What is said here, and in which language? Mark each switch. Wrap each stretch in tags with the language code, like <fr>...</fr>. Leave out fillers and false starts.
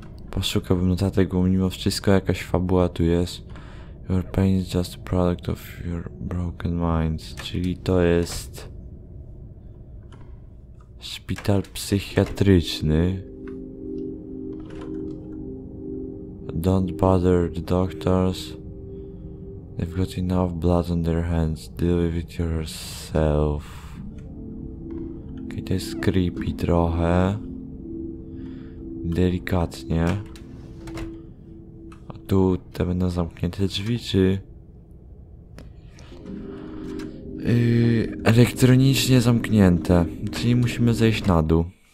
<pl>Poszukałbym notatek, bo mimo wszystko jakaś fabuła tu jest.</pl> <en>Your pain is just a product of your broken mind.</en> <pl>Czyli to jest... szpital psychiatryczny.</pl> <en>Don't bother the doctors. They've got enough blood on their hands. Deal with it yourself.</en> <pl>Okej, to jest creepy trochę. Delikatnie. A tu te będą zamknięte drzwi, czy... elektronicznie zamknięte. Czyli musimy zejść na dół.</pl>